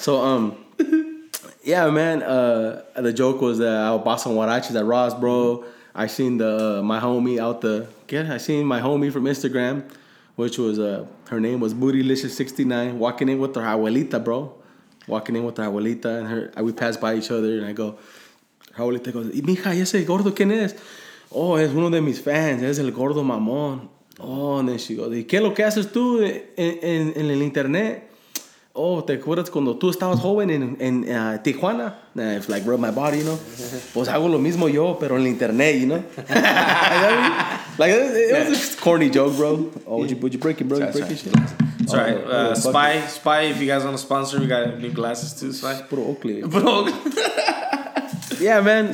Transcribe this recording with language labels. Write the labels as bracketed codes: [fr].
[en] So, yeah, man, the joke was that I bought some huaraches at Ross, bro. I seen the my homie out the... Yeah, I seen my homie from Instagram, which was... her name was Bootylicious69, walking in with her abuelita, bro. Walking in with her abuelita, and her, we passed by each other, and I go... [es] Her abuelita goes, y mija, ese gordo, ¿quién es? Oh, es uno de mis fans. Es el gordo mamón. Oh, and then she goes, ¿y qué lo que haces tú en el internet? Oh, ¿te acuerdas cuando tú estabas joven en Tijuana? [en] And it's like, rub my body, you know? [es] Pues hago lo mismo yo, pero en el internet, you know? You know what I mean? [en] Like, it was a corny joke, bro. Oh, would you break it, bro? Sorry. Spy, if you guys want to sponsor, we got new glasses too, Spy. Bro, Oakley. Bro. Yeah, man. Dude.